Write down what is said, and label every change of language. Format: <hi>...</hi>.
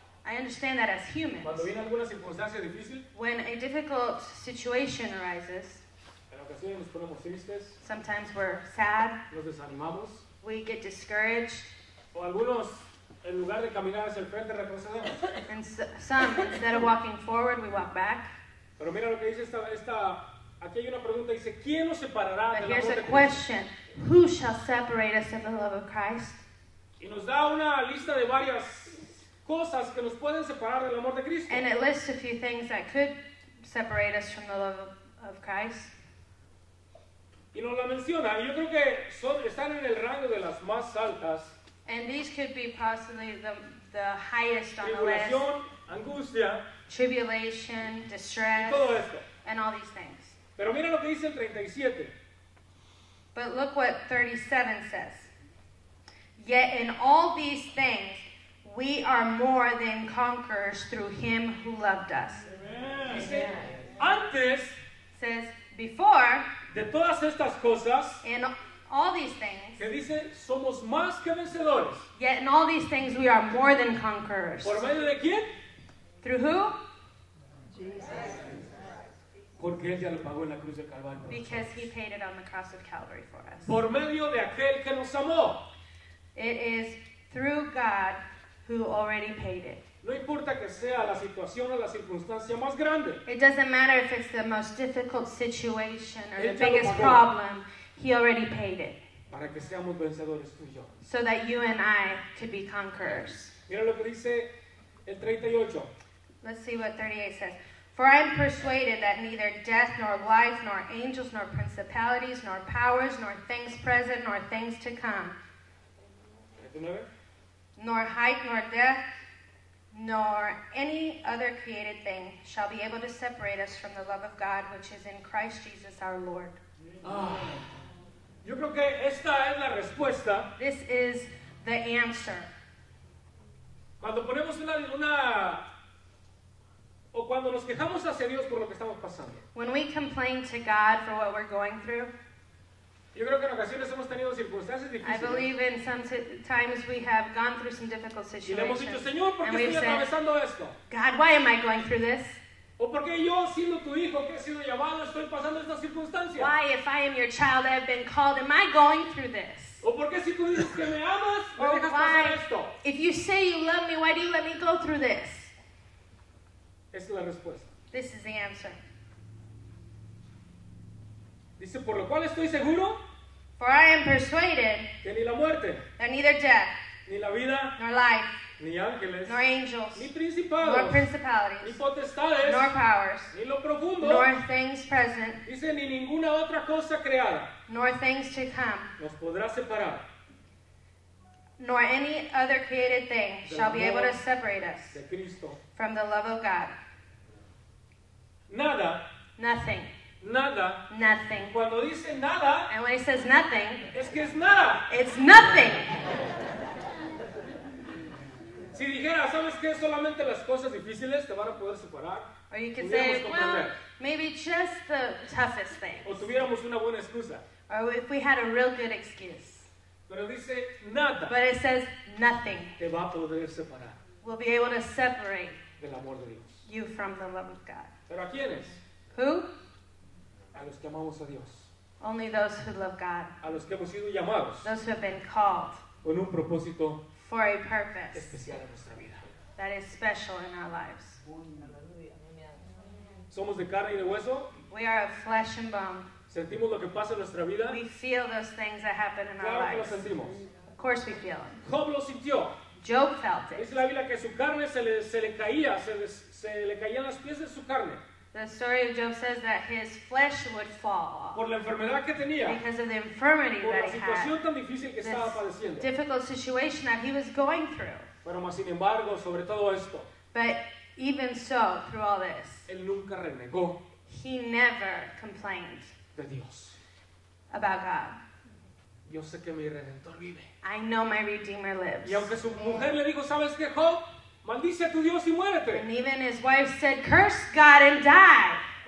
<en>I understand that as humans,</en> <es>cuando viene alguna circunstancia difícil,</es> <en>when a difficult situation arises,</en> <es>en ocasiones nos ponemos tristes,</es> <en>sometimes we're sad,</en> <es>nos desanimamos,</es> <en>we get discouraged,</en> <es>o algunos, en lugar de caminar hacia el frente, retrocedemos.</es> <en>And some, instead of walking forward, we walk back.</en> <es>Pero mira lo que dice esta aquí hay una pregunta, dice, ¿quién nos separará del amor de Cristo?</es> <en>Here's a question. Who shall separate us in the love of Christ?</en> <es>Y nos da una lista de varias cosas que nos pueden separar del amor de Cristo.</es> <en>And it lists a few things that could separate us from the love of Christ.</en> <es>Y nos la menciona, y yo creo que están en el rango de las más altas.</es> <en>And these could be possibly the highest on the list.</en> <es>Tribulación, angustia.</es> <en>Tribulation, distress.</en> <es>Y todo esto.</es> <en>And all these things.</en> <es>Pero mira lo que dice el 37.</es> <en>But look what 37 says. Yet in all these things, we are more than conquerors through him who loved us.</en> <es>Amen. Antes,</es> <en>says before,</en> <es>de todas estas cosas,</es> <en>in all these things,</en> <es>que dice, somos más que vencedores.</es> <en>Yet in all these things, we are more than conquerors.</en> <es>¿Por medio de quién?</es> <en>Through who? Jesus.</en> <es>Porque él ya lo pagó en la cruz del Calvario.</es> <en>Because he paid it on the cross of Calvary for us.</en> <es>Por medio de aquel que nos amó.</es> <en>It is through God who already paid it.</en> <es>No importa que sea la situación o la circunstancia más grande.</es> <en>It doesn't matter if it's the most difficult situation or the biggest problem. He already paid it.</en> <es>Para que seamos vencedores tú y yo.</es> <en>So that you and I could be conquerors.</en> <es>Mira lo que dice el 38.</es> <en>Let's see what 38 says. For I am persuaded that neither death, nor life, nor angels, nor principalities, nor powers, nor things present, nor things to come, nor height, nor depth, nor any other created thing shall be able to separate us from the love of God which is in Christ Jesus our Lord.</en> <es>Yo creo que esta es la respuesta.</es> <en>This is the answer.</en> <es>Cuando ponemos una o cuando nos quejamos hacia Dios por lo que estamos pasando.</es> <en>When we complain to God for what we're going through.</en> <es>Yo creo que en ocasiones hemos tenido circunstancias difíciles.</es> <en>I believe in some times we have gone through some difficult situations.</en> <es>Y le hemos dicho, Señor, ¿por qué estoy atravesando esto?</es> <en>God, why am I going through this?</en> <es>¿O por qué yo, siendo tu hijo, que he sido llamado, estoy pasando estas circunstancias?</es> <en>Why, if I am your child, I have been called, am I going through this?</en> <es>¿O por qué si tú dices que me amas, me dejas pasar esto?</es> <en>If you say you love me, why do you let me go through this?</en> <es>Esta es la respuesta.</es> <en>This is the answer.</en> <es>Dice, por lo cual estoy seguro.</es> <en>For I am persuaded.</en> <es>Que ni la muerte.</es> <en>That neither death.</en> <es>Ni la vida.</es> <en>Nor life.</en> <es>Ni ángeles.</es> <en>Nor angels.</en> <es>Ni principados.</es> <en>Nor principalities.</en> <es>Ni potestades.</es> <en>Nor powers.</en> <es>Ni lo profundo.</es> <en>Nor things present.</en> <es>Dice, ni ninguna otra cosa creada.</es> <en>Nor things to come.</en> <es>Nos podrá separar.</es> <en>Nor any other created thing shall be able to separate us</en> <es>de Cristo.</es> <en>From the love of God.</en> <es>Nada.</es> <en>Nothing.</en> <es>Nada.</es> <en>Nothing.</en> <es>Cuando dice nada.</es> <en>And when he says nothing.</en> <es>Es que es nada.</es> <en>It's nothing.</en> <es>Si dijera, ¿sabes qué? Solamente las cosas difíciles te van a poder separar.</es> <en>Or you could say, well, maybe just the toughest things.</en> <es>O tuviéramos una buena excusa.</es> <en>Or if we had a real good excuse.</en> <es>Pero Pero dice nada.</es> <en>But it says nothing.</en> <es>Te va a poder separar.</es> <en>Will be able to separate</en> <es>del amor de Dios.</es> <en>You from the love of God.</en> <es>¿Pero a quiénes?</es> <en>Who?</en> <es>A los que amamos a Dios.</es> <en>Only those who love God.</en> <es>A los que hemos sido llamados.</es> <en>Those who have been called.</en> <es>Con un propósito.</es> <en>For a purpose.</en> <es>Especial en nuestra vida.</es> <en>That is special in our lives.</en> <es>Somos de carne y de hueso.</es> <en>We are of flesh and bone.</en> <es>Sentimos lo que pasa en nuestra vida.</es> <en>We feel those things that happen in</en> <es>claro</es> <en>our lives.</en> <es>Claro que lo sentimos.</es> <en>Of course we feel them.</en> <es>Job lo sintió.</es> <en>Job felt it.</en> <es>Dice la Biblia que su carne se le caía, se le caían las piezas de su carne.</es> <en>The story of Job says that his flesh would fall off.</en> <es>Por la enfermedad que tenía.</es> <en>Because of the infirmity that he had.</en> <es>Por la situación tan difícil que estaba padeciendo.</es> <en>This difficult situation that he was going through.</en> <es>Pero más sin embargo, sobre todo esto.</es> <en>But even so, through all this.</en> <es>Él nunca renegó.</es> <en>He never complained.</en> <es>De Dios.</es> <en>About God.</en> <es>Yo sé que mi Redentor vive.</es> <en>I know my Redeemer lives.</en> <es>Y aunque su mujer le dijo, ¿sabes qué, Job? Maldice a tu Dios y muérete.</es> <en>And even his wife said, curse God and die.</en>